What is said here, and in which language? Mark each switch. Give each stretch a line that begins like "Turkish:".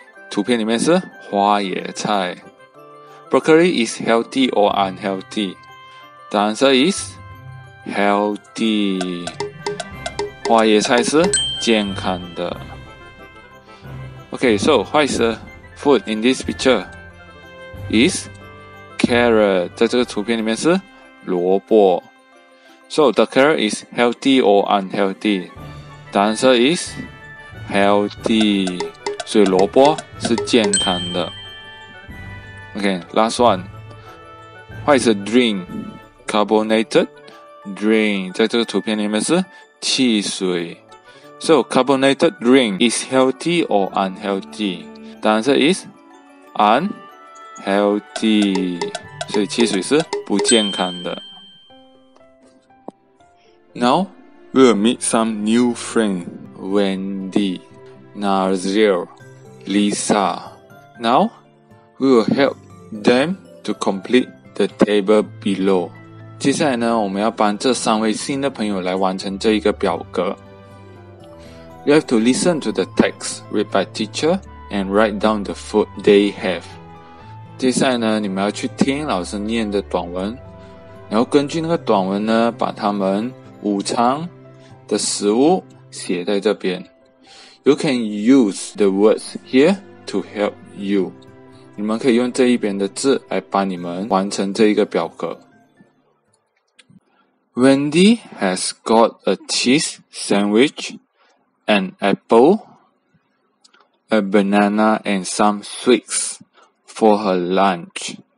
Chinese: 图片里面是花椰菜。
English: Broccoli is healthy or unhealthy? The answer is healthy.
Chinese: 花椰菜是健康的。
English: Okay, so what is the food in this picture? Is carrot.
Chinese: 在这个图片里面是萝卜。
English: So the carrot is healthy or unhealthy? The answer is healthy.
Chinese: 所以萝卜是健康的。
English: Okay, last one. What is a drink? Carbonated drink.
Chinese: 在这个图片里面是汽水。
English: So, carbonated drink is healthy or unhealthy? The answer is unhealthy.
Chinese: 所以汽水是不健康的。
English: Now, we'll meet some new friends. Wendy, Nazir, Lisa. Now, we will help them to complete the table below.
Chinese: 接下来呢，我们要帮这三位新的朋友来完成这一个表格。
English: You have to listen to the text read by teacher and write down the food they have.
Chinese: 接下来呢，你们要去听老师念的短文，然后根据那个短文呢，把他们午餐的食物写在这边。
English: You can use the words here to help you.
Chinese: 你们可以用这一边的字来帮你们完成这一个表格。
English: Wendy has got a cheese sandwich, an apple, a banana and some sweets for her lunch.